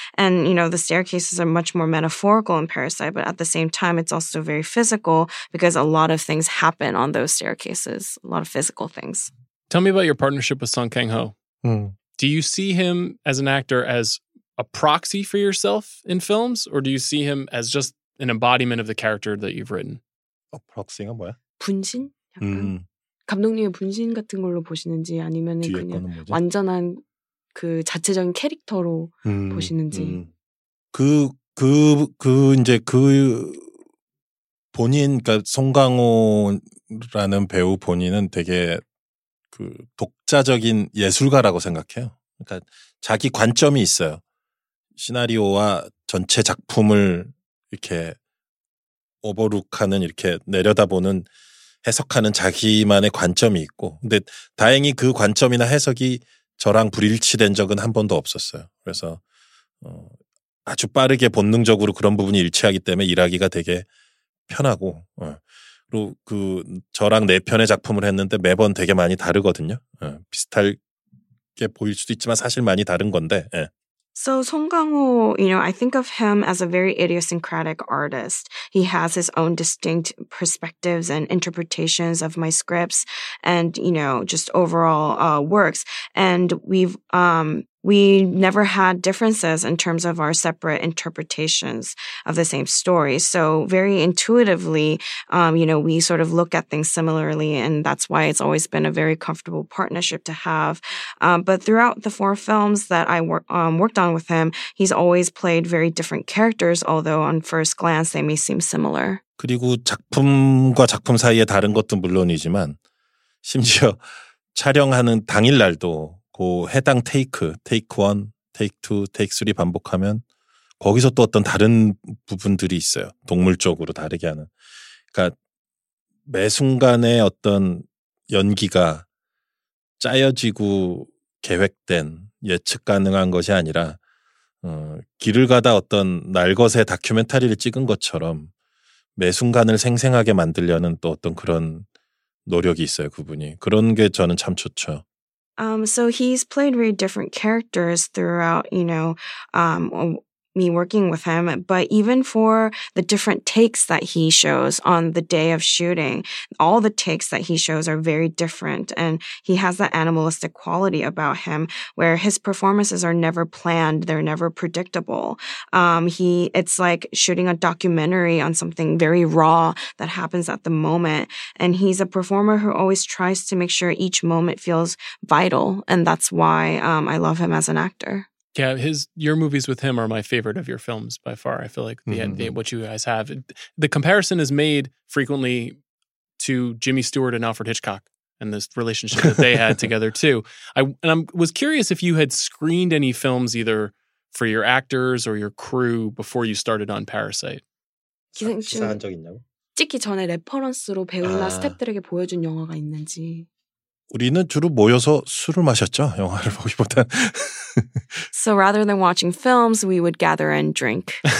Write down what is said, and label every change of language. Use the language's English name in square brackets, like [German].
[English] And, you know, the staircases are much more metaphorical in Parasite, but at the same time, it's also very physical because a lot of things happen on those staircases, a lot of physical things. Tell me about your partnership with Song Kang-ho. Do you see him as an actor as a proxy for yourself in films, or do you see him as just an embodiment of the character that you've written? A proxy [Korean] 가 뭐야? 분신? 감독님의 분신 같은 걸로 보시는지 아니면 그냥 완전한 그 자체적인 캐릭터로 보시는지 그 본인 그러니까 송강호라는 배우 본인은 되게 그 독자적인 예술가라고 생각해요. 그러니까 자기 관점이 있어요. 시나리오와 전체 작품을 이렇게 오버룩하는 이렇게 내려다보는 해석하는 자기만의 관점이 있고 근데 다행히 그 관점이나 해석이 저랑 불일치된 적은 한 번도 없었어요. 그래서 아주 빠르게 본능적으로 그런 부분이 일치하기 때문에 일하기가 되게 편하고 로 그 저랑 내 편의 작품을 했는데 매번 되게 많이 다르거든요. 예, 비슷할 게 보일 수도 있지만 사실 많이 다른 건데. 예. [English] So Song Kang-ho, you know, I think of him as a very idiosyncratic artist. He has his own distinct perspectives and interpretations of my scripts and, you know, just overall works. And we never had differences in terms of our separate interpretations of the same story. So very intuitively, you know, we sort of look at things similarly, and that's why it's always been a very comfortable partnership to have. But throughout the four films that I worked on with him, he's always played very different characters, although on first glance, they may seem similar. [Korean] 그리고 작품과 작품 사이의 다른 것도 물론이지만, 심지어 촬영하는 당일날도 그 해당 테이크, 테이크 1, 테이크 2, 테이크 3 반복하면 거기서 또 어떤 다른 부분들이 있어요. 동물적으로 다르게 하는. 그러니까 매 순간에 어떤 연기가 짜여지고 계획된 예측 가능한 것이 아니라 길을 가다 어떤 날것의 다큐멘터리를 찍은 것처럼 매 순간을 생생하게 만들려는 또 어떤 그런 노력이 있어요, 그분이. 그런 게 저는 참 좋죠. [English] So he's played very different characters throughout, you know, me working with him. But even for the different takes that he shows on the day of shooting, all the takes that he shows are very different. And he has that animalistic quality about him where his performances are never planned. They're never predictable. It's like shooting a documentary on something very raw that happens at the moment. And he's a performer who always tries to make sure each moment feels vital. And that's why I love him as an actor. Yeah, your movies with him are my favorite of your films by far. I feel like what you guys have. The comparison is made frequently to Jimmy Stewart and Alfred Hitchcock and this relationship that they had together too. I was curious if you had screened any films either for your actors or your crew before you started on Parasite. [Korean] 기생충 찍기 전에 레퍼런스로 배우나 스태프들에게 보여준 영화가 있는지. 우리는 주로 모여서 술을 마셨죠, 영화를 보기보단. [English] So rather than watching films, we would gather and drink.